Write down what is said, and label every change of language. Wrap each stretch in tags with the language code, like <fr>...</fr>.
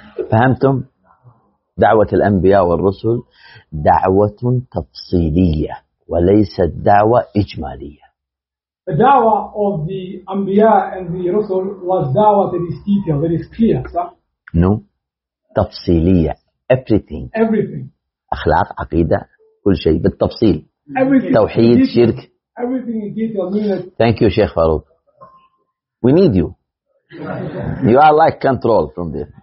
<ar>فهمتم؟ دعوة الأنبياء والرسل دعوة تفصيلية وليست دعوة إجمالية.</ar> <en>The da'wah of the Anbiya and the Rusul was da'wah that is detailed, that is clear, sir. No. تفصيلية. Everything. Everything.</en> <ar>أخلاق, عقيدة, كل شيء بالتفصيل.</ar> <en>Everything.</en> <ar>توحيد, شرك.</ar> <en>Everything in detail. Thank you, Sheikh Farooq. We need you. You are like control from there.</en>